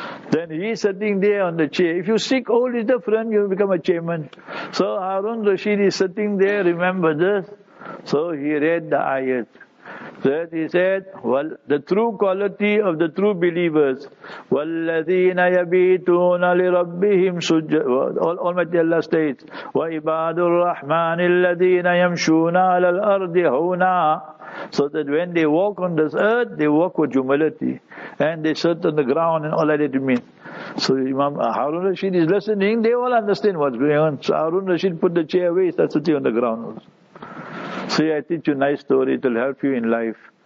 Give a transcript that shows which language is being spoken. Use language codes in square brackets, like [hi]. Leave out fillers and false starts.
[en] Then he's sitting there on the chair. If you seek all is different, you become a chairman. So Harun Rashid is sitting there, remember this. So he read the ayat. That he said, well, the true quality of the true believers, [ar] وَالَّذِينَ يَبِيتُونَ لِرَبِّهِمْ سُجَّدًا. [en] Almighty Allah states, [ar] وَإِبَادُ الرَّحْمَنِ الَّذِينَ يَمْشُونَ عَلَى الْأَرْضِ هُنَا. [en] So that when they walk on this earth, they walk with humility. And they sit on the ground and all that it means. So Imam Harun Rashid is listening, they all understand what's going on. So Harun Rashid put the chair away, starts sitting on the ground also. See, I teach you a nice story, it will help you in life.